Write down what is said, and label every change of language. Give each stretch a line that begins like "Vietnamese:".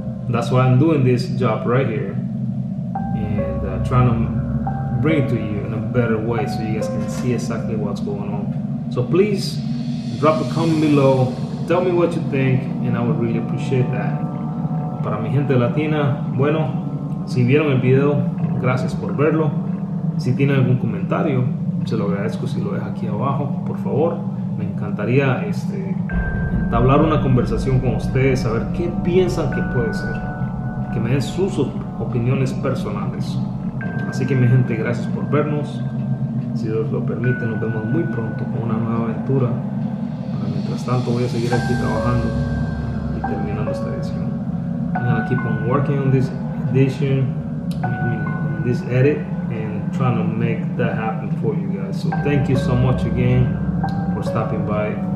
English: That's why I'm doing this job right here, and trying to bring it to you in a better way so you guys can see exactly what's going on. So please drop a comment below, tell me what you think, and I would really appreciate that.
Spanish: Para mi gente latina, bueno, si vieron el video, gracias por verlo. Si tienen algún comentario, se lo agradezco si lo deja aquí abajo, por favor. Me encantaría entablar una conversación con ustedes, saber qué piensan que puede ser, que me den sus opiniones personales. Así que, mi gente, gracias por vernos. Si Dios lo permite, nos vemos muy pronto con una nueva aventura. Pero mientras tanto, voy a seguir aquí trabajando y terminando esta edición.
English: I'm gonna keep on working on this edition, on this edit, and trying to make that happen for you guys. So thank you so much again for stopping by.